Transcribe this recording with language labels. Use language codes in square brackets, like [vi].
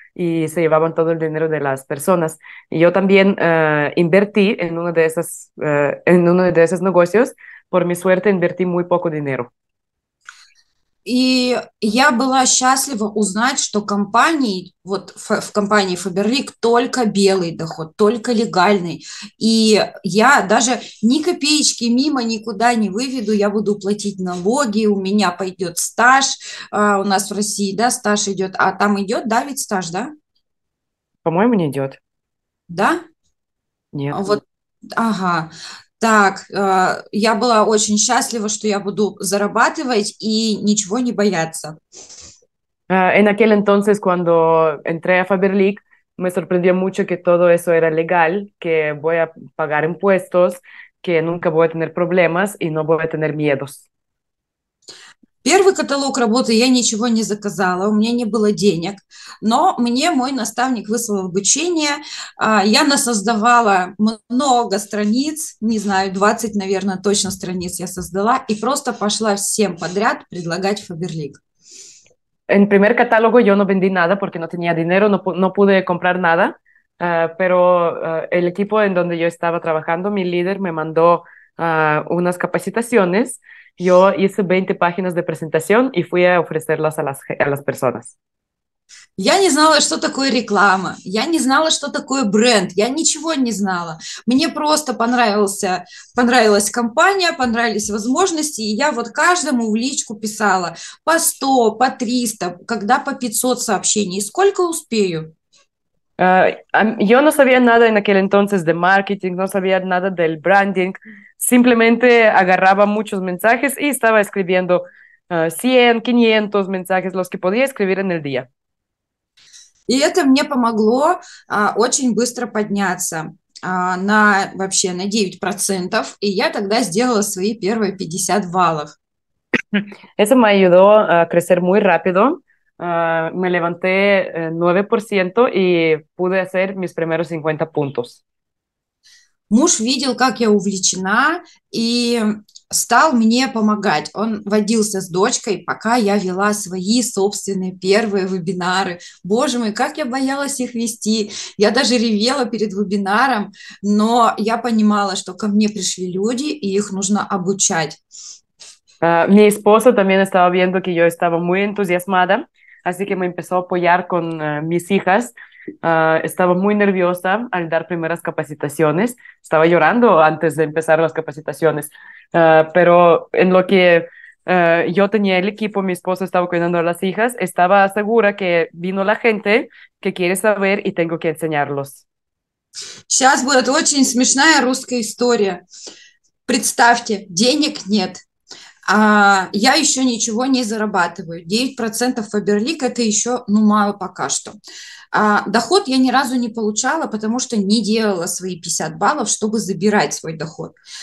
[es] y se llevaban todo el dinero de las personas. Y yo también invertí en uno de esas, en uno de esos negocios. Por mi suerte, invertí muy poco dinero. [ru] И я была счастлива узнать, что компании, вот в компании Faberlic только белый доход, только легальный. И я даже ни копеечки мимо никуда не выведу, я буду платить налоги, у меня пойдет стаж, у нас в России, да, стаж идет, а там идет, да, ведь стаж, да? По-моему, не идет. Да? Нет. Вот, ага. Так, я была очень счастлива, что я буду зарабатывать и ничего не бояться. [es] En aquel entonces, cuando entré a Faberlic, me sorprendió mucho que todo eso era legal, que voy a pagar impuestos, que nunca voy a tener problemas y no voy a tener miedos. [ru] Первый каталог работы я ничего не заказала, у меня не было денег, но мне мой наставник выслал обучение. Я насоздавала много страниц, не знаю, 20, наверное, точно страниц я создала, и просто пошла всем подряд предлагать Faberlic. [es] En primer catálogo yo no vendí nada porque no tenía dinero, no pude comprar nada, pero el equipo en donde yo estaba trabajando, mi líder, me mandó unas capacitaciones. Yo hice 20 páginas de presentación y fui a ofrecerlas a las personas. [ru] Я не знала, что такое реклама, я не знала, что такое бренд, я ничего не знала. Мне просто понравилась компания, понравились возможности, и я вот каждому в личку писала по 100, по 300, когда по 500 сообщений, сколько успею. [es] Yo no sabía nada en aquel entonces de marketing, no sabía nada del branding, simplemente agarraba muchos mensajes y estaba escribiendo 100, 500 mensajes, los que podía escribir en el día. [ru] И это мне помогло очень быстро подняться на вообще на 9%. И я тогда сделала свои первые 50 баллов. [es] Eso me ayudó a crecer muy rápido. Me levanté 9% y pude hacer mis primeros 50 puntos. [ru] Муж видел, как я увлечена, и стал мне помогать. Он водился с дочкой, пока я вела свои собственные первые вебинары. Боже мой, как я боялась их вести. Я даже ревела перед вебинаром, но я понимала, что ко мне пришли люди, и их нужно обучать. [es] Mi esposo también estaba viendo que yo estaba muy entusiasmada. Así que me empezó a apoyar con mis hijas. Estaba muy nerviosa al dar primeras capacitaciones. Estaba llorando antes de empezar las capacitaciones. Pero en lo que yo tenía el equipo, mi esposo estaba cuidando a las hijas, estaba segura que vino la gente que quiere saber y tengo que enseñarlos. [ru] Сейчас будет очень смешная русская история. Представьте, денег нет. Я еще ничего не зарабатываю. 9% Faberlic – это еще, ну, мало пока что. Доход я ни разу не получала, потому что не делала свои 50 баллов, чтобы забирать свой доход.